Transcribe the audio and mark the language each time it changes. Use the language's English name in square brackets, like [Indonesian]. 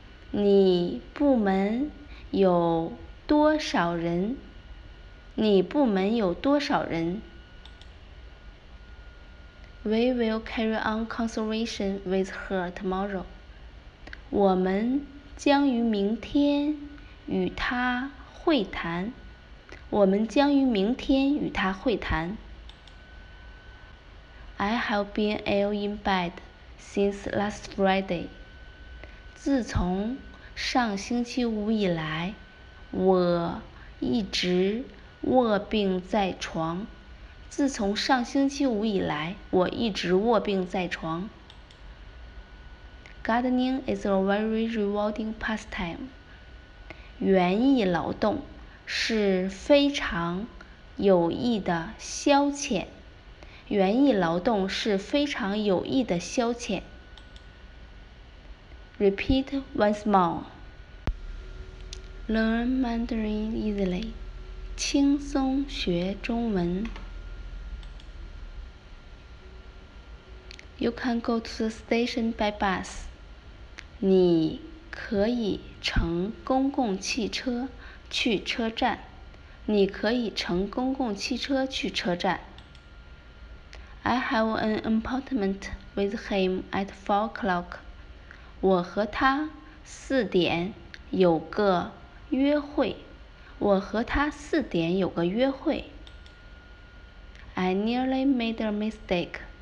[Chinese] 你部门有多少人？你部门有多少人 [English] ？We will carry on conversation with her tomorrow. [Chinese] 我们将于明天与她。会谈，我们将于明天与他会谈。 [English] I have been ill in bed since last Friday. [Chinese] 自从上星期五以来，我一直卧病在床。自从上星期五以来，我一直卧病在床。 [English] Gardening is a very rewarding pastime. [Chinese] 园艺劳动是非常有益的消遣。园艺劳动是非常有益的消遣。 [English] Repeat once more. Learn Mandarin easily. [Chinese] 轻松学中文。 [English] You can go to the station by bus. [Chinese] 你可以乘公共汽车去车站。你可以乘公共汽车去车站。 [English] I have an appointment with him at 4 o'clock. [Chinese] 我和他四点有个约会。我和他四点有个约会。 [English] I nearly made a mistake.